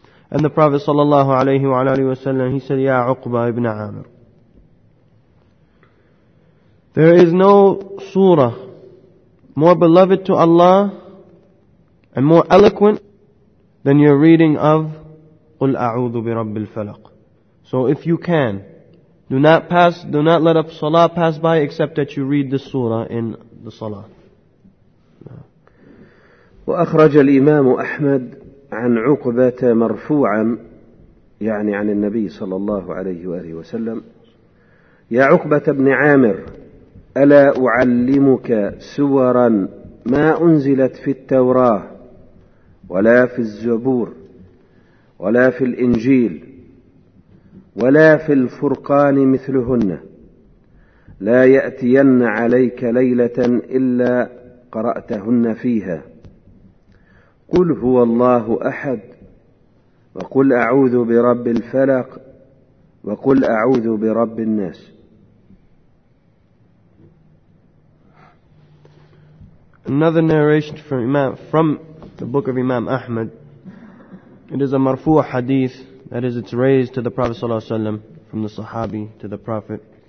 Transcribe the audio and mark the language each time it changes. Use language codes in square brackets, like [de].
[en] And the Prophet sallallahu alaihi wasallam, he said, Ya Uqba ibn Amir, there is no surah more beloved to Allah and more eloquent than your reading of [ar] قُلْ أَعُوذُ بِرَبِّ الْفَلَقِ. [en] So if you can, do not let a salah pass by except that you read this surah in the salah. [ar] وأخرج الإمام أحمد عن عقبة مرفوعا يعني عن النبي صلى الله عليه وآله وسلم يا عقبة بن عامر ألا أعلمك سورا ما أنزلت في التوراة ولا في الزبور ولا في الإنجيل ولا في الفرقان مثلهن؟ لا يأتين عليك ليلة إلا قرأتهن فيها. قل هو الله أحد وقل أعوذ برب الفلق وقل أعوذ برب الناس. [en] Another narration from the book of Imam Ahmad. It is a marfu' hadith, that is, it's raised to the Prophet sallallahu alaihi wasallam from the Sahabi to the Prophet.